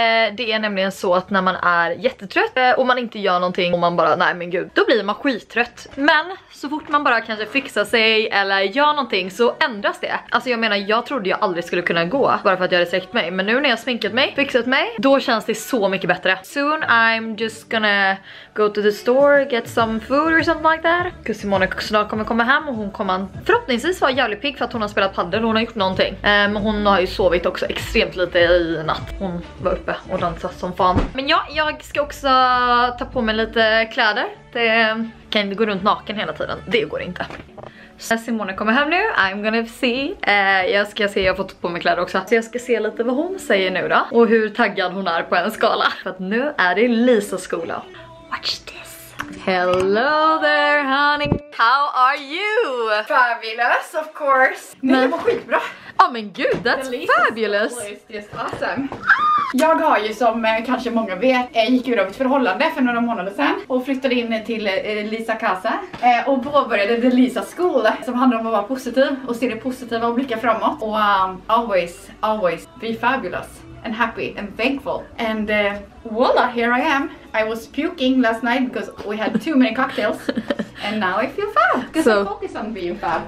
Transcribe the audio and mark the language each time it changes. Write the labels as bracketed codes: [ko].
[sv] Det är nämligen så att när man är jättetrött och man inte gör någonting och man bara, nej men gud, då blir man skittrött. Men så fort man bara kanske fixar sig eller gör någonting så ändras det. Alltså jag menar, jag trodde jag aldrig skulle kunna gå bara för att jag hade sträckt mig. Men nu när jag sminkat mig, fixat mig, då känns det så mycket bättre. [en] Soon I'm just gonna go to the store, get some food or something like that. Cause [sv] Simone snart kommer komma hem och hon kommer förhoppningsvis vara jävligt pigg för att hon har spelat paddel och hon har gjort någonting. Men hon har ju sovit också extremt lite i natt. Hon var uppe och dansade som fan. Men ja, jag ska också ta på mig lite kläder. Det kan inte gå runt naken hela tiden. Det går inte. Så Simone kommer hem nu, [en] I'm gonna see. [sv] Jag ska se, jag har fått på mig kläder också. Så jag ska se lite vad hon säger nu då. Och hur taggad hon är på en skala. För att nu är det Lisas skola. [en] Watch this. Hello there honey. How are you? Fabulous, of course. [sv] Men det var skitbra. Ja, oh, men gud, [en] that's fabulous. Awesome. [sv] Jag har ju, som kanske många vet, gick ur av ett förhållande för några månader sedan och flyttade in till Lisa Casa och påbörjade The Lisa School, som handlar om att vara positiv och se det positiva och blicka framåt och [en] always, always be fabulous and happy and thankful. And voila, here I am. I was puking last night because we had too many cocktails. And now I feel fab, because so, I focus on being fab.